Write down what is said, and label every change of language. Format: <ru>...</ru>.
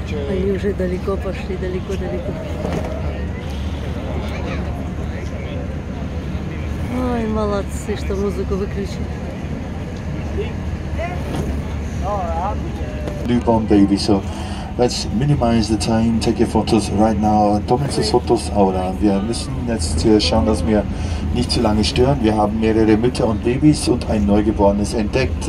<ru>Они уже далеко пошли, далеко. Ой, молодцы, что музыку выключили.</ru> <en>Newborn baby, so let's minimize the time, take your photos right now.</en> <de>Tomen Sie Fotos, aber wir müssen jetzt schauen, dass wir nicht zu lange stören. Wir haben mehrere Mütter und Babys und ein Neugeborenes entdeckt.</de>